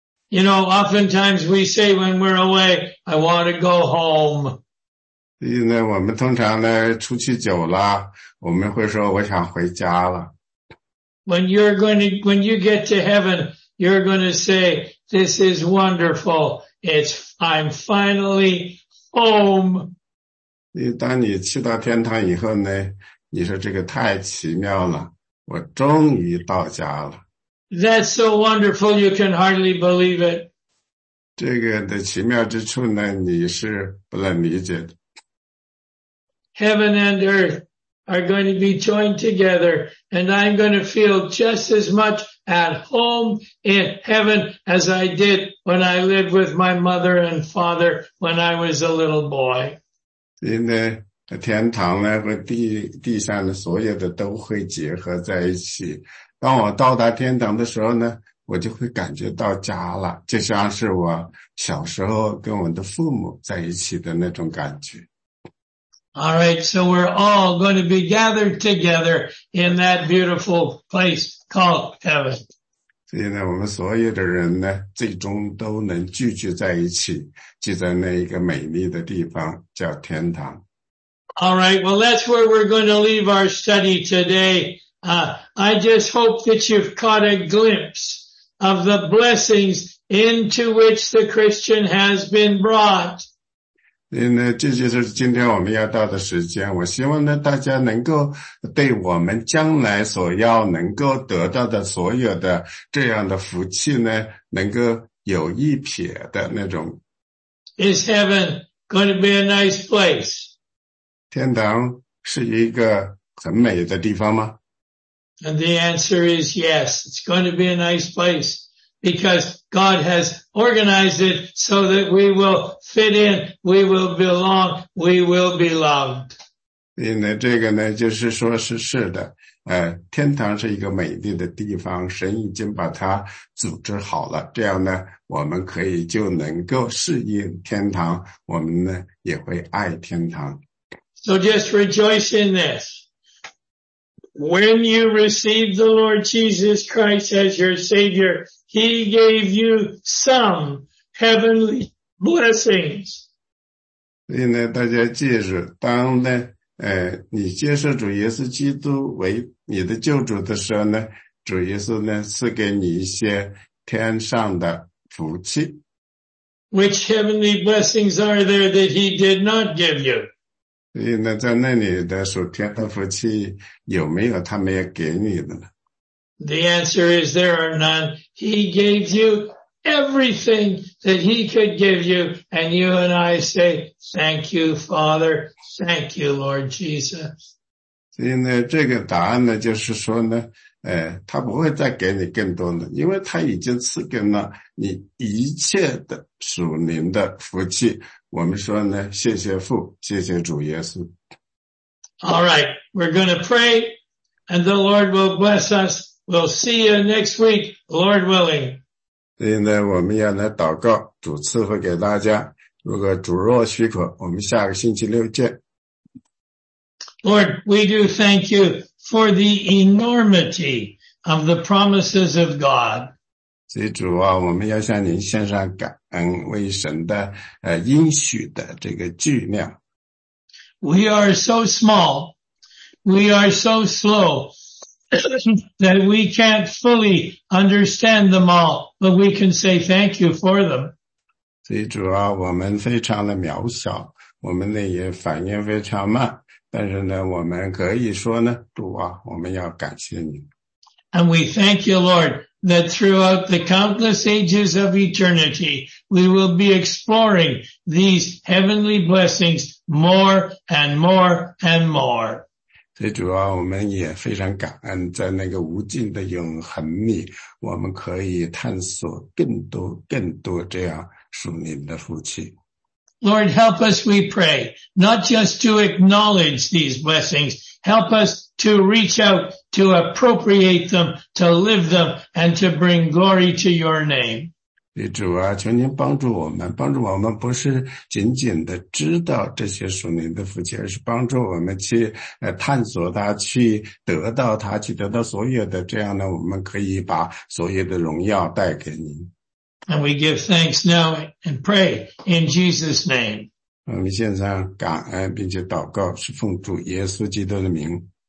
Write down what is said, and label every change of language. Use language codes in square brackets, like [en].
[en] You know, oftentimes we say when we're away, I want to go home. [zh] 所以呢我们通常呢出去久了我们会说我想回家了。 [en] When you get to heaven, you're going to say, this is wonderful. It's I'm finally home. [zh] 当你去到天堂以后呢，你说这个太奇妙了，我终于到家了。 [en] That's so wonderful, you can hardly believe it. [zh] 这个的奇妙之处呢，你是不能理解的。 [en] Heaven and earth are going to be joined together, and I'm going to feel just as much at home in heaven as I did when I lived with my mother and father when I was a little boy. [zh] 因为天堂呢和地上的所有的都会结合在一起。当我到达天堂的时候呢，我就会感觉到家了，就像是我小时候跟我的父母在一起的那种感觉。 [en] All right, so we're all going to be gathered together in that beautiful place called heaven. [zh] 所以呢，我们所有的人呢，最终都能聚集在一起，聚在那一个美丽的地方，叫天堂。 [en] All right, well, that's where we're going to leave our study today. I just hope that you've caught a glimpse of the blessings into which the Christian has been brought. [zh] 因为这就是今天我们要到的时间，我希望呢大家能够对我们将来所要能够得到的所有的这样的福气呢，能够有一瞥的那种。 [en] Is heaven going to be a nice place? [zh] 天堂是一个很美的地方吗？ [en] And the answer is yes, it's going to be a nice place. Because God has organized it so that we will fit in, we will belong, we will be loved. [zh] 因为这个呢，就是说是是的，天堂是一个美丽的地方，神已经把它组织好了，这样呢，我们可以就能够适应天堂，我们呢也会爱天堂。 [en] So just rejoice in this. When you received the Lord Jesus Christ as your Savior, He gave you some heavenly blessings. [zh] 所以呢，大家记住，当呢，你接受主耶稣基督为你的救主的时候呢，主耶稣呢赐给你一些天上的福气。 [en] Which heavenly blessings are there that He did not give you? [zh] 所以呢，在那里的属天的福气有没有他没有给你的呢 [en] ？The answer is there are none. He gave you everything that he could give you, and you and I say thank you, Father, thank you, Lord Jesus. [zh] 所以呢，这个答案呢，就是说呢，他不会再给你更多的，因为他已经赐给了你一切的属灵的福气。我们说呢，谢谢父，谢谢主耶稣。 [en] All right, we're going to pray, and the Lord will bless us. We'll see you next week, Lord willing. [zh] 所以呢，我们要来祷告，主赐福给大家。如果主若许可，我们下个星期六见。 [en] Lord, we do thank you for the enormity of the promises of God. [zh] 所以主啊，我们要向您献上感恩，为神的应许的这个巨量。 [en] We are so small, we are so slow that we can't fully understand them all, but we can say thank you for them. [zh] 所以主啊，我们非常的渺小，我们呢也反应非常慢，但是呢，我们可以说呢，主啊，我们要感谢你。 [en] And we thank you, Lord. That throughout the countless ages of eternity, we will be exploring these heavenly blessings more and more and more. [zh] 所以主啊，我们也非常感恩，在那个无尽的永恒里，我们可以探索更多更多这样属灵的福气。 [en] Lord, help us, we pray, not just to acknowledge these blessings, help us to reach out. To appropriate them, to live them, and to bring glory to your name. [zh] 主啊，求您帮助我们，帮助我们不是仅仅的知道这些属灵的福气，而是帮助我们去探索它，去得到它，去得到所有的，这样呢，我们可以把所有的荣耀带给您。 [en] And we give thanks now and pray in Jesus' name. [zh] 我们献上感恩并且祷告，是奉主耶稣基督的名。